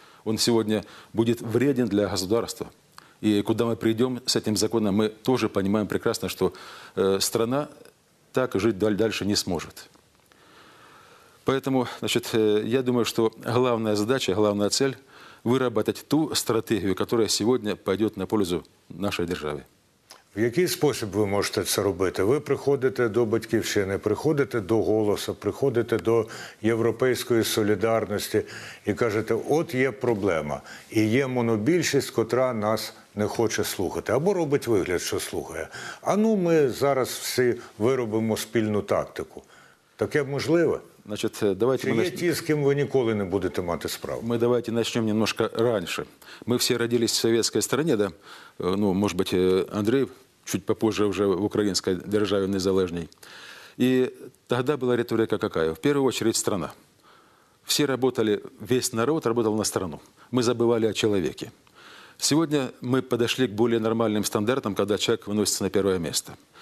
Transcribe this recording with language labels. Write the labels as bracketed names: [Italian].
[Russian] Он сегодня будет вреден для государства. И куда мы придем с этим законом, мы тоже понимаем прекрасно, что страна так жить дальше не сможет. Поэтому, значит, я думаю, что главная задача, главная цель – выработать ту стратегию, которая сегодня пойдет на пользу нашей державе. [Ukrainian] В який спосіб ви можете це робити? Ви приходите до «Батьківщини», приходите до «Голосу», приходите до «Європейської солідарності» і кажете, от є проблема, і є монобільшість, котра нас не хоче слухати. Або робить вигляд, що слухає. А ну, ми зараз всі виробимо спільну тактику. Таке можливе? Значить, давайте чи ми є ті, з ким ви ніколи не будете мати справу? Ми давайте почнемо немножко раніше. Ми всі родились в совєтській країні, да? [Russian] Ну, может быть, Андрей чуть попозже уже в украинской державе незалежней. И тогда была риторика какая? В первую очередь страна. Все работали, весь народ работал на страну. Мы забывали о человеке. Сегодня мы подошли к более нормальным стандартам, когда человек выносится на первое место.